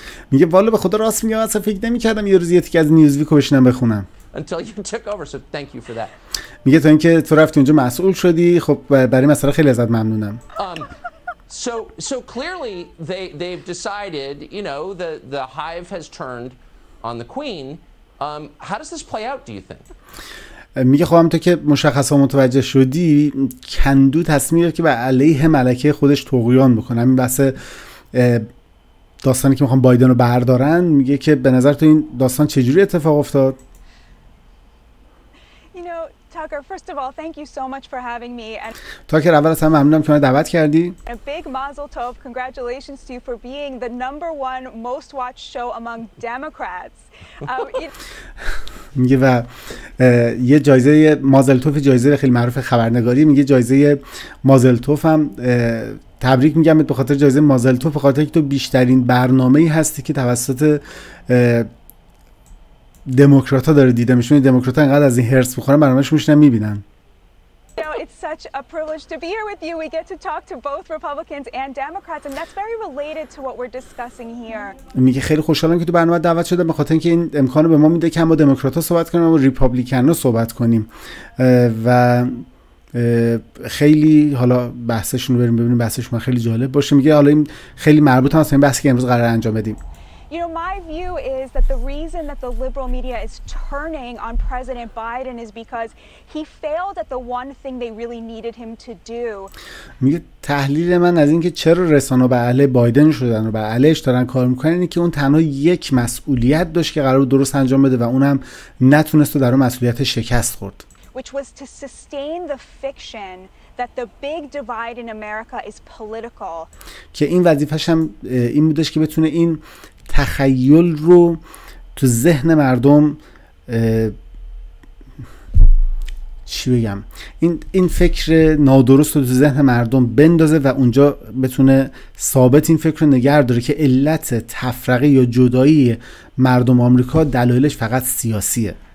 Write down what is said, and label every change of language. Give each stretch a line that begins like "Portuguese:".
Persian: میگه والا به خدا راست میگم، اصلا فکر نمیکردم یه روزی یکی از نیوزویک رو بشنم بخونم.
English: Until you took over, so thank you for that.
Persian: میگه تا اینکه تو رفتی اونجا مسئول شدی، خب برای مسئله خیلی ازت ممنونم.
English: So clearly they've decided, you know, the hive has turned on the queen. How does this play out, do you think?
Persian: میگه خب همونطور که مشخصا متوجه شدی، کندو تصمیم گرفت که بر علیه ملکه خودش طغیان بکنه. همین بحث داستانی که میخوان بایدن رو بردارن، میگه که به نظر تو این داستان چجوری اتفاق افتاد؟
English: Tucker, first of all, thank you so much for having me. And
Persian: Tucker, اول از همه ممنونم که منو دعوت کردی.
English: A big mazel tov, congratulations to you for being the number one most watched show among Democrats.
Persian: میگه و یه جایزه مازل توف، جایزه خیلی معروف خبرنگاری، میگه جایزه مازل توف هم تبریک میگم به خاطر جایزه مازل توف، به خاطر اینکه تو بیشترین برنامه‌ای هستی که توسط دموکرات ها داره دیده میشونه. دموکرات ها اینقدر از این هرس بخورن برنامهش میشنن میبینن.
English: It's such a privilege to be here with you. We get to talk to both Republicans and Democrats and that's very related to what we're discussing here.
Persian: میگه خیلی خوشحالم که تو برنامه دعوت شدم، به خاطر اینکه این امکانو به ما میده که هم با دموکرات ها صحبت کنیم و ریپابلیکن ها صحبت کنیم. و خیلی حالا بحثشون رو بریم ببینیم، بحثش ما خیلی جالب باشه. میگه حالا این خیلی مربوطه هست به بحثی که امروز قرار انجام بدیم.
English: You know, my view is that the reason that the liberal media is turning on President Biden is because he failed at the one thing they really needed him to do.
Persian: میگه تحلیل من از اینکه چرا رسانه به اهل بایدن شدن و به اهلش دارن کار میکنن اینه که اون تنها یک مسئولیت داشت که قرار بود درست انجام بده و اونم نتونست و در اون مسئولیت شکست خورد.
English: Which was to sustain the fiction that the big divide in America is political.
Persian: که این وظیفه‌ش هم این بودش که بتونه این تخیل رو تو ذهن مردم چی بگم، این فکر نادرست رو تو ذهن مردم بندازه و اونجا بتونه ثابت این فکر رو نگه داره که علت تفرقه یا جدایی مردم آمریکا دلایلش فقط سیاسیه.